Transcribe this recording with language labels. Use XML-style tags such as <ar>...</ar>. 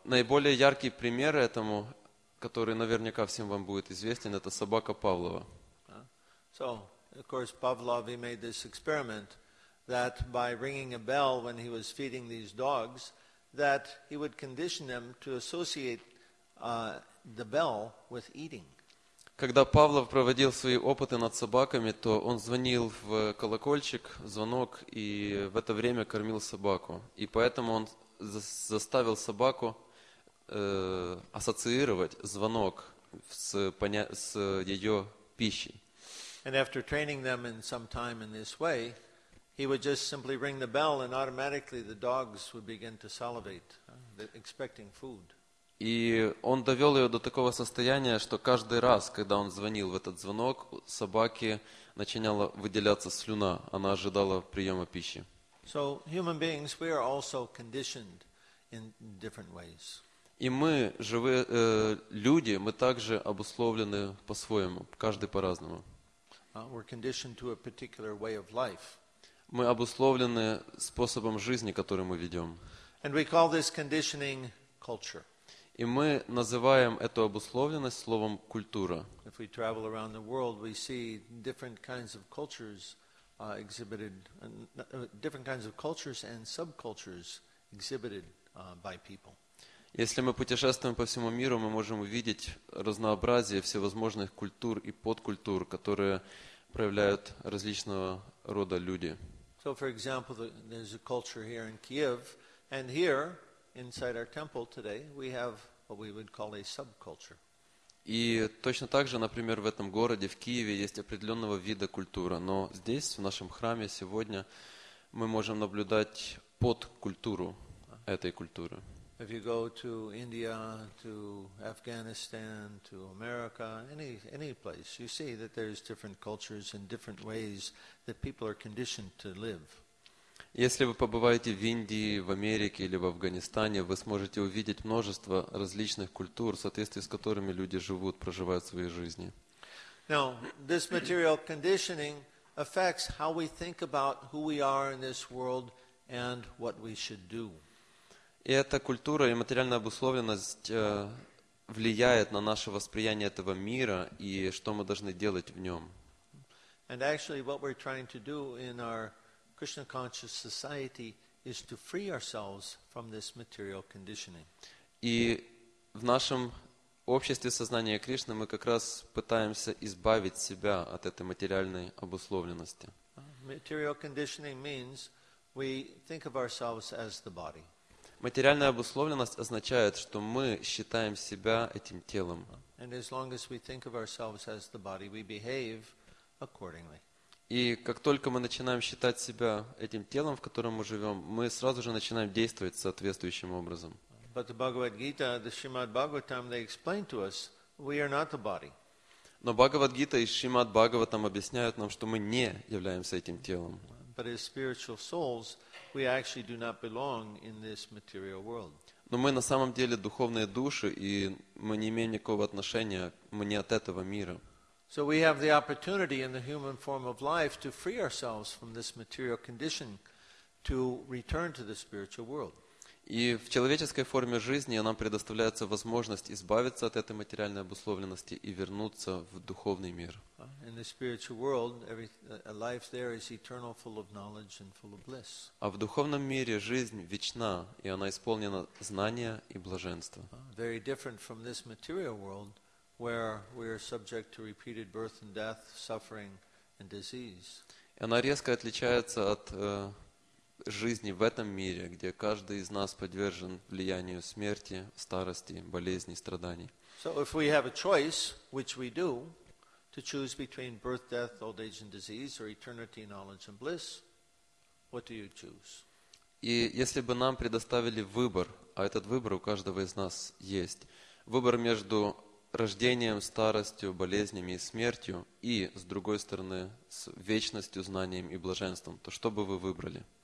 <ru>Наиболее яркий пример этому, который наверняка всем вам будет известен, это собака Павлова.</ru> <en>So, of course, Pavlov, he made this experiment that by ringing a bell when he was feeding these dogs, that he would condition them to associate the bell with eating.</en> <ru>Когда Павлов проводил свои опыты над собаками, то он звонил в колокольчик, звонок, и в это время кормил собаку. И поэтому он заставил собаку ассоциировать звонок с ее пищей.</ru> <en>And after training them in some time in this way, he would just simply ring the bell and automatically the dogs would begin to salivate, expecting food.</en> <ru>И он довел ее до такого состояния, что каждый раз, когда он звонил в этот звонок, собаке начинала выделяться слюна, она ожидала приема пищи.</ru> <en>So human beings, we are also conditioned in different ways.</en> <ru>И мы, живые люди, мы также обусловлены по-своему, каждый по-разному.</ru> <en>We're conditioned to a particular way of life.</en> <ru>Мы обусловлены способом жизни, который мы ведем.</ru> <en>And we call this conditioning culture.</en> <ru>И мы называем эту обусловленность словом культура.</ru> <en>If we travel around the world, we see different kinds of cultures exhibited, different kinds of cultures and subcultures exhibited by people.</en> <ru>Если мы путешествуем по всему миру, мы можем увидеть разнообразие всевозможных культур и подкультур, которые проявляют различного рода люди.</ru> <en>So, for example, there's a culture here in Kiev, and here, inside our temple today, we have what we would call a subculture.</en> <ru>И точно так же, например, в этом городе, в Киеве, есть определенного вида культура. Но здесь, в нашем храме, сегодня, мы можем наблюдать подкультуру этой культуры.</ru> <en>If you go to India, to Afghanistan, to America, any place, you see that there's different cultures and different ways that people are conditioned to live.</en> <ru>Если вы побываете в Индии, в Америке или в Афганистане, вы сможете увидеть множество различных культур, в соответствии с которыми люди живут, проживают свои жизни.</ru> <en>Now, this material conditioning affects how we think about who we are in this world and what we should do.</en> <ru>И эта культура и материальная обусловленность влияет на наше восприятие этого мира и что мы должны делать в нем.</ru> <en>And actually, what we're trying to do in our Krishna conscious society is to free ourselves from this material conditioning.</en> <ru>И в нашем обществе сознания Кришны мы как раз пытаемся избавить себя от этой материальной обусловленности.</ru> <en>Material conditioning means we think of ourselves as the body.</en> <ru>Материальная обусловленность означает, что мы считаем себя этим телом.</ru> <en>And as long as we think of ourselves as the body, we behave accordingly.</en> <ru>И как только мы начинаем считать себя этим телом, в котором мы живем, мы сразу же начинаем действовать соответствующим образом.</ru> <en>But the Bhagavad Gita, the Srimad Bhagavatam, they explain to us, we are not the body.</en> <ru>Но Бхагавад Гита и Шримад Бхагаватам объясняют нам, что мы не являемся этим телом.</ru> <en>But as spiritual souls, we actually do not belong in this material world.</en> <ru>Но мы на самом деле духовные души, и мы не имеем никакого отношения, мы не от этого мира.</ru> <en>So we have the opportunity in the human form of life to free ourselves from this material condition to return to the spiritual world.</en> <ru>И в человеческой форме жизни нам предоставляется возможность избавиться от этой материальной обусловленности и вернуться в духовный мир.</ru> <en>In the spiritual world, life there is eternal, full of knowledge and full of bliss.</en> <ru>А в духовном мире жизнь вечна, и она исполнена знания и блаженства.</ru> <en>Very different from this material world, where we are subject to repeated birth and death, suffering and disease.</en> <ru>Она резко отличается от жизни в этом мире, где каждый из нас подвержен влиянию смерти, старости, болезни, страданий.</ru> <en>So if we have a choice, which we do, to choose between birth, death, old age and disease, or eternity, knowledge and bliss, what do you choose?</en> <ru>И если бы нам предоставили выбор, а этот выбор у каждого из нас есть, выбор между рождением, старостью, болезнями и смертью, и, с другой стороны, с вечностью, знанием и блаженством, то что бы вы выбрали?</ru>